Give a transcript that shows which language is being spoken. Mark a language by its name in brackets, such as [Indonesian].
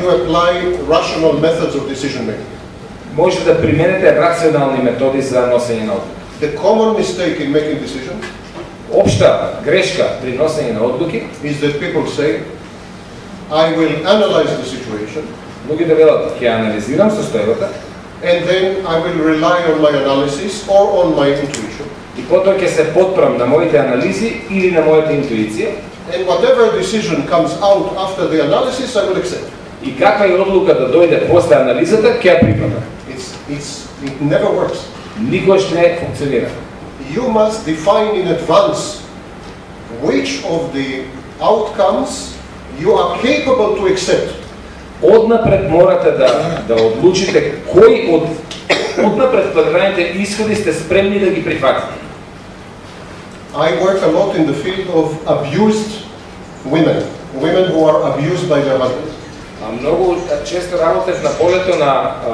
[English] you apply rational methods of decision making. [Macedonian] Може да применете рационални методи за носење на одлуки. [English] The common mistake in making decisions, [Macedonian] општа грешка при носење на одлуки, [English] is that people say I will analyze the situation. [Macedonian] Луѓето велат ќе анализирам состојбата, [English] and then I will rely on my analysis or on my intuition. [Macedonian] И потоа ќе се потпрам на моите анализи или на мојата интуиција. [English] And whatever decision comes out after the analysis, I will accept. [Macedonian] И каква е одлука да дојде после анализата, ќе ја прифатам. [English] It never works. [Macedonian] Никогаш не функционира. [English] You must define in advance which of the outcomes you are capable to accept. [Macedonian] Однапред морате да одлучите кои од однапред планираните исходи сте спремни да ги прифатите. [English] I work a lot in the field of abused women, women who are abused by their husbands. [Macedonian] А многу често работев на полето на